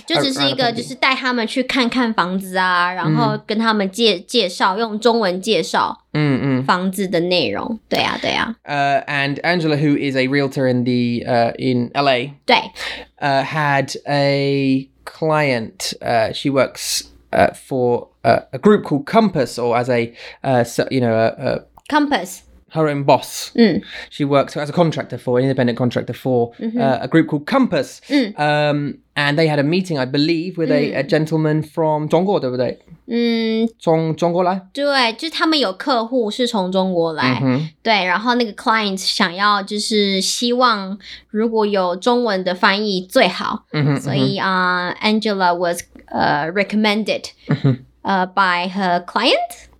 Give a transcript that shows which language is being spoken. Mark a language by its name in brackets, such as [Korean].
[Chinese] 就只是一个，就是带他们去看看房子啊，然后跟他们介绍，用中文介绍房子的内容。对啊，对啊。 [English] And Angela, who is a realtor in the, in LA, [Chinese] 对。 [English] Had a client, she works for a group called Compass, or as a, you know, a... Compass. Her own boss. She works as a contractor for, an independent contractor for a group called Compass. And they had a meeting, I believe, with a gentleman from 中国, [Chinese] 对不对? 中国来。对,就是他们有客户是从中国来。对,然后那个 client 想要就是希望如果有中文的翻译最好。所以 [English] Angela was recommended by her client.